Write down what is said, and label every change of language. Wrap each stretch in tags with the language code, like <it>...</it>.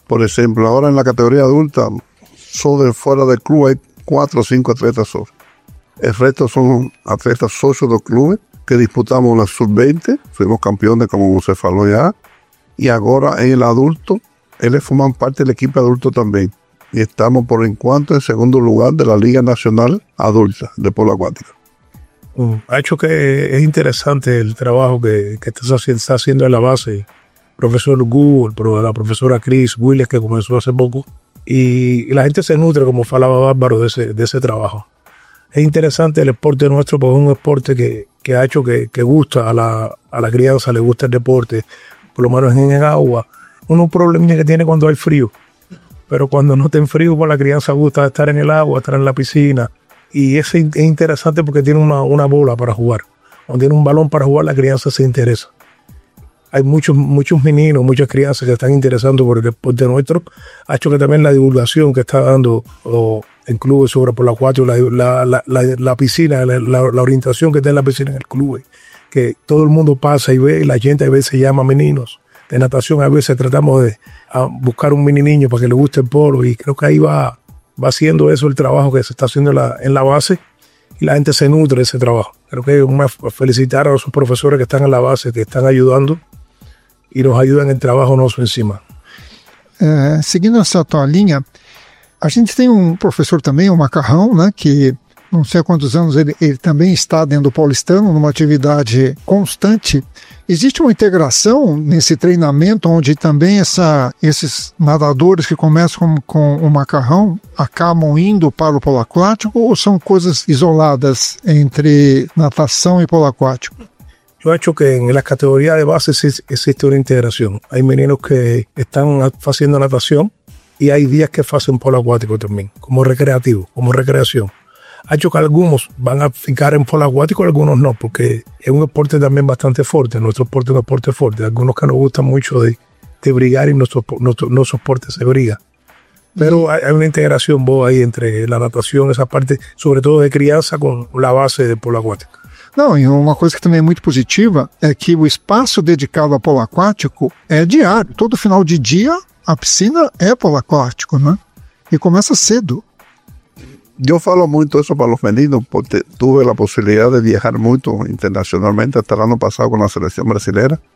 <pt>Por exemplo, agora na categoria adulta, só de fora do clube, 4 ou 5 atletas sócios. O resto são atletas sócios do clube que disputamos na Sub-20, fomos campeões, como você falou já, e agora em adulto, eles formam parte da equipe adulto também. E estamos, por enquanto, em segundo lugar da Liga Nacional Adulta de Polo Aquático. Acho que é interessante o trabalho que está fazendo na base o professor Google, a professora Cris Williams, que começou há pouco.</pt> <es>Y la gente se nutre, como falaba Bárbaro, de ese trabajo. Es interesante el esporte nuestro, porque es un esporte que ha hecho que gusta a la crianza, le gusta el deporte, por lo menos en el agua. Uno problema que tiene cuando hay frío, pero cuando no está en frío, pues la crianza gusta estar en el agua, estar en la piscina. Y es interesante porque tiene una bola para jugar. Cuando tiene un balón para jugar, la crianza se interesa. Hay muchos meninos, muchas crianças que están interesando por el deporte nuestro. Ha hecho que también la divulgación que está dando el club sobre por la 4, la piscina, la orientación que tiene la piscina en el club, que todo el mundo pasa y ve, y la gente a veces llama meninos de natación, a veces tratamos de buscar un mini niño para que le guste el polo, y creo que ahí va haciendo eso el trabajo que se está haciendo en la base, y la gente se nutre de ese trabajo. Creo que más felicitar a los profesores que están en la base, que están ayudando y nos ayudan en el trabajo nuestro encima.</es> <pt>Seguindo essa tua linha, a gente tem um professor também, o Macarrão, né, que não sei há quantos anos, ele também está dentro do Paulistano, numa atividade constante. Existe uma integração nesse treinamento, onde também esses nadadores que começam com o macarrão acabam indo para o polo aquático, ou são coisas isoladas entre natação e polo aquático? Eu acho que em</pt> <es>las categorías</es> <pt>de base existe uma integração. Há meninos que estão fazendo natação,</pt> <es>y hay días que hacen polo acuático también, como recreativo, como recreación. Ha hecho que algunos van a ficar en polo acuático, algunos no, porque es un deporte también bastante fuerte. Nuestro deporte es un deporte fuerte. Algunos que nos gustan mucho de brigar y nuestro deporte se briga. Pero hay una integración boa ahí entre la natación, esa parte, sobre todo de crianza, con la base de polo acuático.</es> <pt>Não, e uma coisa que também é muito positiva é que o espaço dedicado ao polo aquático é diário, todo final de dia. A piscina é polo aquático, né? E começa cedo. Eu falo muito isso para os meninos, porque tive a possibilidade de viajar muito internacionalmente até o ano passado com a seleção brasileira.</pt>